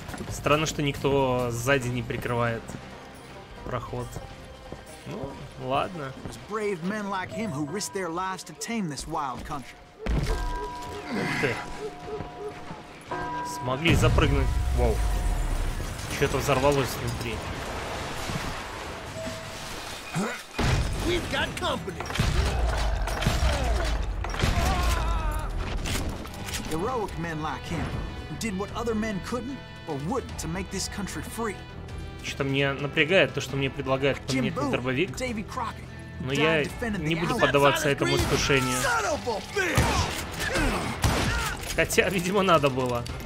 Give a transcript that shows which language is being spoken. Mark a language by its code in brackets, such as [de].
[ru] Странно, что никто сзади не прикрывает проход. Ну, ладно. [en] It was brave men like him who risked their lives to tame this wild country. [ru] Ух ты. Смогли запрыгнуть. Воу. Что-то взорвалось внутри. [en] We've got company. Heroic men like him did what other men couldn't or wouldn't to make this country free. [ru] Что-то мне напрягает то, что мне предлагают поменять на дробовик. Но я не буду поддаваться этому искушению. Хотя, видимо, надо было.